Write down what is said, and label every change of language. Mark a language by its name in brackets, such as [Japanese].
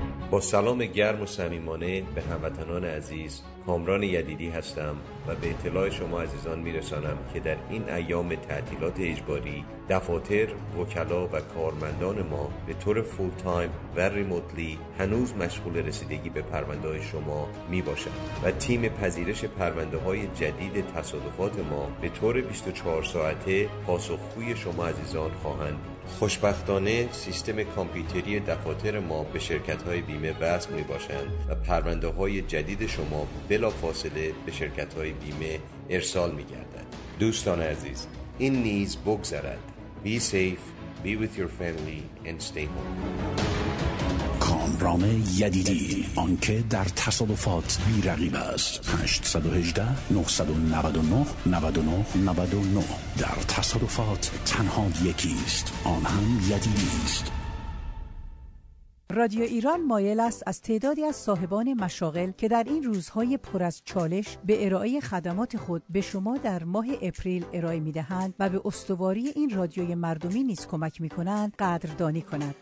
[Persian] با سلام گرم و صمیمانه به هموطنان عزیز، کامران یدیدی هستم و به اطلاع شما عزیزان میرسانم که در این ایام تعطیلات اجباری دفاتر، وکلا و کارمندان ما به طور فول تایم و ریموتلی هنوز مشغول رسیدگی به پرونده های شما میباشند و تیم پذیرش پرونده های جدید تصادفات ما به طور 24 ساعته پاسخگوی شما عزیزان خواهند. خوشبختانه سیستم کامپیوتری دفاتر ما به شرکت‌های بیمه وصل می‌باشند و پرونده‌های جدید شما بلافاصله به شرکت‌های بیمه ارسال می‌گردد. دوستان عزیز، این نیز بگذرد. [English] Be safe, be with your family and stay home. [Persian] کامران یدیدی، آنکه در تصادفات بی‌رقیب است. 818 999 99 99. در تصادفات تنها یکی است، آن هم یدیدی است. رادیو ایران مایل است از تعدادی از صاحبان مشاغل که در این روزهای پر از چالش به ارائه خدمات خود به شما در ماه اپریل ارائه می‌دهند و به استواری این رادیوی مردمی نیز کمک می‌کنند قدردانی کند.